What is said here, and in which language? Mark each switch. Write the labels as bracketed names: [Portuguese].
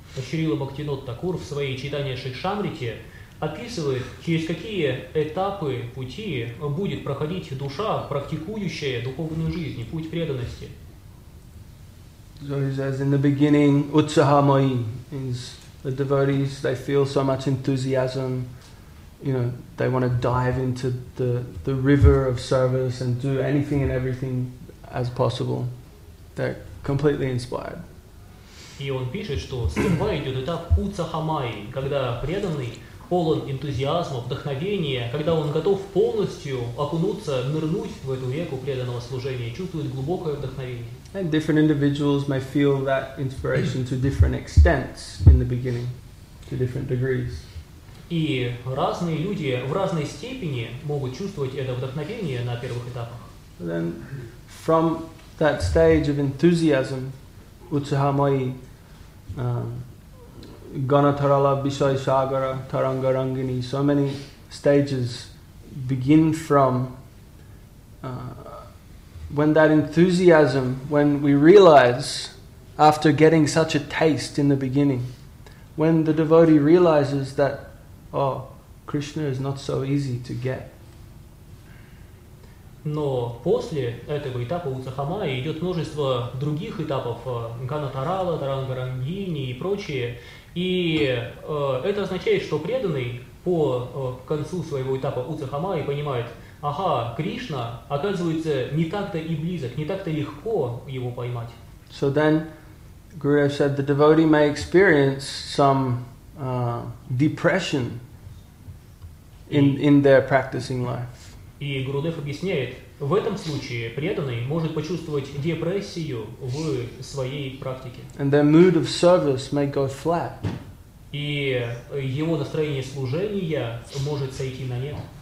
[Russian] Шрила Бхактинот Такур в своей читании Шикшамрите описывает, через какие этапы пути будет проходить душа, практикующая духовную жизнь, путь преданности. [English] So he says in the beginning, Utsahamayi is the devotees, they feel so much enthusiasm, you know, they want to dive into the river of service and do anything and everything as possible. They're completely inspired. [Russian] И он пишет, что сперва идет этап Утсахамайи, когда преданный полон энтузиазма, вдохновения, когда он готов полностью окунуться, нырнуть в эту реку преданного служения, чувствует глубокое вдохновение. [English] And different individuals may feel that inspiration to different extents in the beginning, to different degrees. [Russian] И разные люди в разной степени могут чувствовать это вдохновение на первых этапах. [English] Then from that stage of enthusiasm, Utsahamayi, Ganatarala, Bishoy Sagara, Taranga Rangini, so many stages begin from when that enthusiasm, when we realize after getting such a taste in the beginning, when the devotee realizes that, oh, Krishna is not so easy to get. [Russian] Но после этого этапа Утсахамайи идет множество других этапов Ганатарала, Тарангарангини и прочие. И это означает, что преданный по концу своего этапа Утсахамайи понимает, ага, Кришна оказывается не так-то и близок, не так-то легко его поймать. [English] So then, Gurudev said, the devotee may experience some depression in their practicing life. [Russian] И Гурудев объясняет, в этом случае преданный может почувствовать депрессию в своей практике. [English] And their mood of service may go flat. [Russian] И его настроение служения может сойти на нет.